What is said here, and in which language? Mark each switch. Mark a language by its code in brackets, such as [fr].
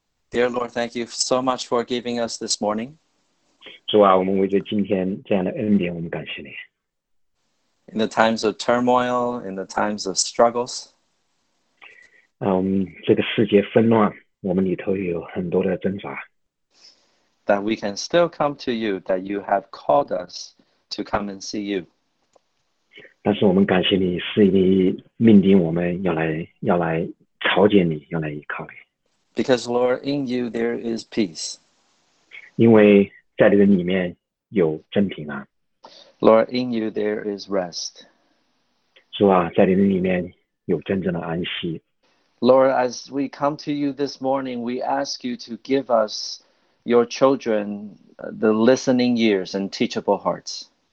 [en] Dear Lord, thank you so much for giving us this morning. [zh] 主啊, 我们为着今天这样的恩典, [en] in the times of turmoil, in the times of struggles, [zh] 这个世界纷乱, [en] that we can still come to you, that you have called us to come and see you. [zh] 但是我们感谢你,是你命定我们要来朝见你,要来依靠你。 [en] Because, Lord, in you there is peace. [zh] 因为在你的里面有真平安。 [en] Lord, in you there is rest. [zh] 主啊,在你的里面有真正的安息。 [en] Lord, as we come to you this morning, we ask you to give us, your children, the listening ears and teachable hearts.